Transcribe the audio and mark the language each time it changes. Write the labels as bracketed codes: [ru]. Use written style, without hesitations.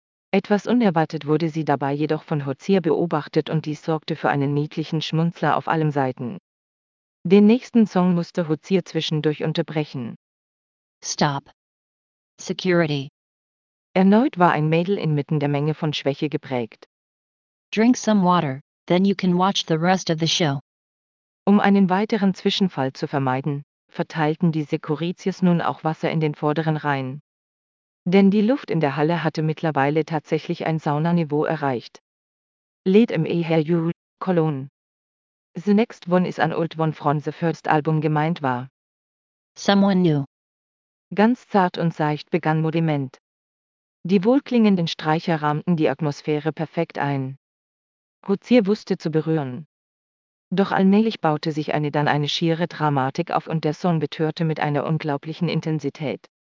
[de] Etwas unerwartet wurde sie dabei jedoch von Hozier beobachtet und dies sorgte für einen niedlichen Schmunzler auf allen Seiten. Den nächsten Song musste Hozier zwischendurch unterbrechen. [en] Stop. Security. [de] Erneut war ein Mädel inmitten der Menge von Schwäche geprägt. [en] Drink some water, then you can watch the rest of the show. [de] Um einen weiteren Zwischenfall zu vermeiden, verteilten die Securities nun auch Wasser in den vorderen Reihen. Denn die Luft in der Halle hatte mittlerweile tatsächlich ein Saunaniveau erreicht. Lied im Eher You, Cologne. [en] The next one is an old one from the first album [de] gemeint war. [en] Someone new. [de] Ganz zart und seicht begann Moodyment. Die wohlklingenden Streicher rahmten die Atmosphäre perfekt ein. Hozier wusste zu berühren. Doch allmählich baute sich dann eine schiere Dramatik auf und der Song betörte mit einer unglaublichen Intensität.